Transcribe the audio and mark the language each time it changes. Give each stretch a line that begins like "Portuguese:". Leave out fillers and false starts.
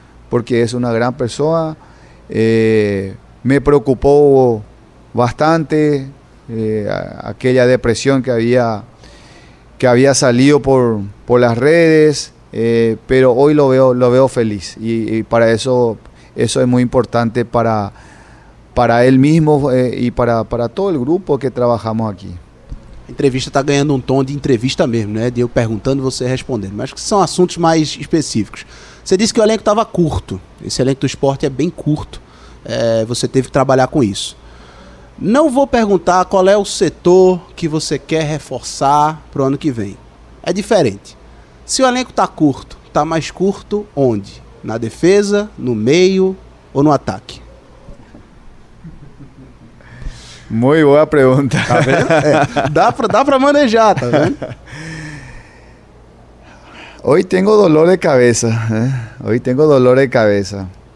Spanish: Porque es una gran persona, me preocupó bastante aquella depresión que había salido por las redes, pero hoy lo veo feliz y para eso es muy importante para él mismo y para todo el grupo que trabajamos aquí.
Portuguese: A entrevista está ganhando um tom de entrevista mesmo, né? De eu perguntando e você respondendo. Mas são assuntos mais específicos. Você disse que o elenco estava curto. Esse elenco do Sport é bem curto. Você teve que trabalhar com isso. Não vou perguntar qual é o setor que você quer reforçar para o ano que vem. É diferente. Se o elenco está curto, está mais curto onde? Na defesa, no meio ou no ataque?
Spanish: Muy buena pregunta. ¿Está bien?
Portuguese: Dá para
Spanish: manejar, ¿está bien? Hoy tengo dolor de cabeza. Hoy tengo dolor de cabeza.